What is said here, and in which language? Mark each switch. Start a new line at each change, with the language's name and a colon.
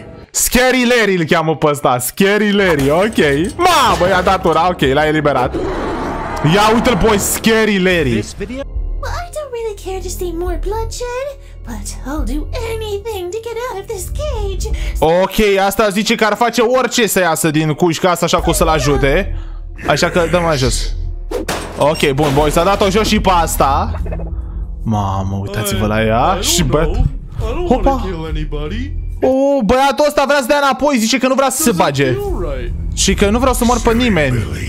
Romanian: Scary Larry îl cheamă pe ăsta, Scary Larry, ok. Mamă, i-a dat ura, ok, l-a eliberat. Ia uite-l, boy, Scary Larry.
English: Well, I don't really care to see more bloodshed, but I'll do anything to get out of this cage.
Romanian: Ok, asta zice că ar face orice să iasă din cușca asta așa cum să-l ajute. Așa că dă-mă jos. Ok, bun, boy, s-a dat-o jos și pe asta. Mamă, uitați-vă la ea și băt. Hopa. Oh, băiatul ăsta vrea să dea înapoi, zice că nu vrea să se bage. Și că nu vreau să mor pe nimeni.